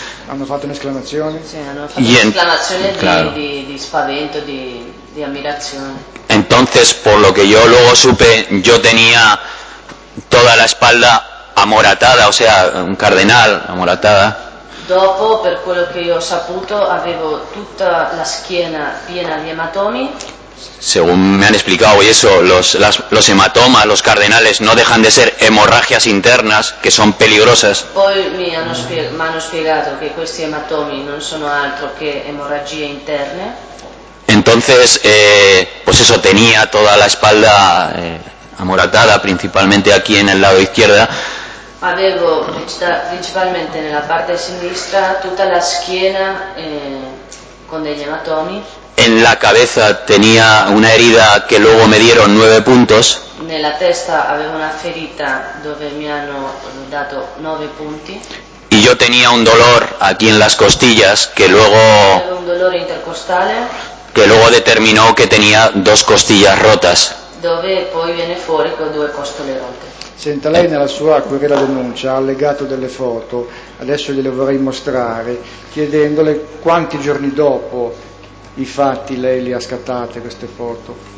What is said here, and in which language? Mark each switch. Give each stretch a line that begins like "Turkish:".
Italian: Hanno fatto un'esclamazione. Sì, hanno fatto un'esclamazione di spavento, di ammirazione.
Spanish: Entonces, por lo que yo luego supe, yo tenía toda la espalda amoratada, o sea, un cardenal amoratada.
Italian: Dopo, per quello che io ho saputo, avevo tutta la schiena piena di ematomi.
Spanish: Según me han explicado, y eso, los hematomas, los cardenales, no dejan de ser hemorragias internas que son peligrosas.
Italian: Poi mi hanno spiegato que questi ematomi non sono altro que hemorragie interne.
Spanish: Entonces, pues eso, tenía toda la espalda amoratada, principalmente aquí en el lado izquierdo.
Italian: Avevo principalmente nella parte sinistra tutta la schiena con degli ematomi.
Spanish: En la cabeza tenía una herida que luego me dieron 9 puntos.
Italian: Nella testa avevo una ferita dove mi hanno dato 9 punti.
Spanish: Y yo tenía un dolor aquí en las costillas que luego.
Italian: Avevo un dolore intercostale.
Spanish: Que luego determinó que tenía 2 costillas rotas.
Italian: Dove poi viene fuori con 2 costole rotte. Senta, lei nella sua querela denuncia ha allegato delle foto, adesso gliele vorrei mostrare, chiedendole quanti giorni dopo i fatti lei li ha scattate queste foto.